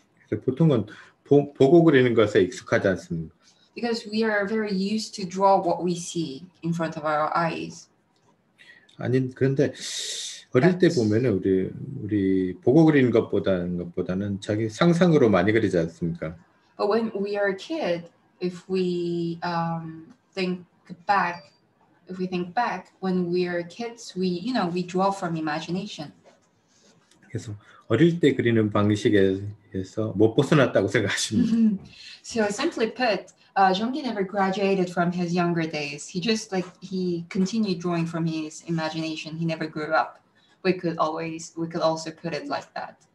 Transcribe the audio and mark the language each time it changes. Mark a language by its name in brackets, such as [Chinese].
[Korean] 보통은 보고 그리는 것에 익숙하지 않습니까? [English] Because we are very used to draw what we see in front of our eyes. [Korean] 아니 그런데 어릴 때 보면은 우리 보고 그리는 것보다는 자기 상상으로 많이 그리지 않습니까? [English] But when we are a kid, if we think back, when we are kids, we draw from imagination. [Korean] 그래서 어릴 때 그리는 방식에서 못 벗어났다고 생각하십니까? [English] So simply put, Jeong-gi never graduated from his younger days. He just like he continued drawing from his imagination. He never grew up. We could also put it like that.